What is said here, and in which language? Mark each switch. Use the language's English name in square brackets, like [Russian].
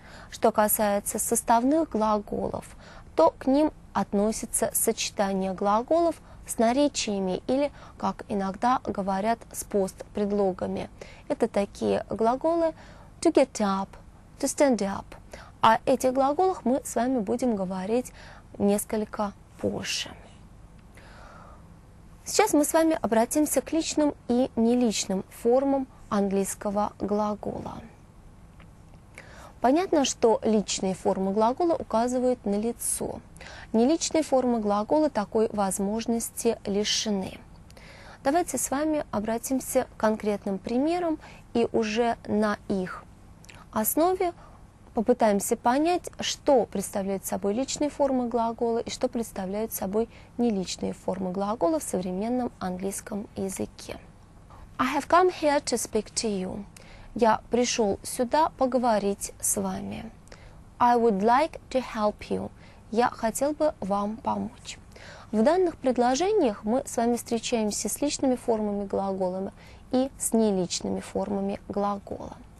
[Russian] Что касается составных глаголов, то к ним относится сочетание глаголов с наречиями или, как иногда говорят, с постпредлогами. Это такие глаголы [English] to get up, to stand up. [Russian] О этих глаголах мы с вами будем говорить несколько позже. Сейчас мы с вами обратимся к личным и неличным формам английского глагола. Понятно, что личные формы глагола указывают на лицо. Неличные формы глагола такой возможности лишены. Давайте с вами обратимся к конкретным примерам и уже на их основе попытаемся понять, что представляют собой личные формы глагола и что представляют собой неличные формы глагола в современном английском языке. [English] I have come here to speak to you. [Russian] Я пришел сюда поговорить с вами. [English] I would like to help you. [Russian] Я хотел бы вам помочь. В данных предложениях мы с вами встречаемся с личными формами глагола и с неличными формами глагола.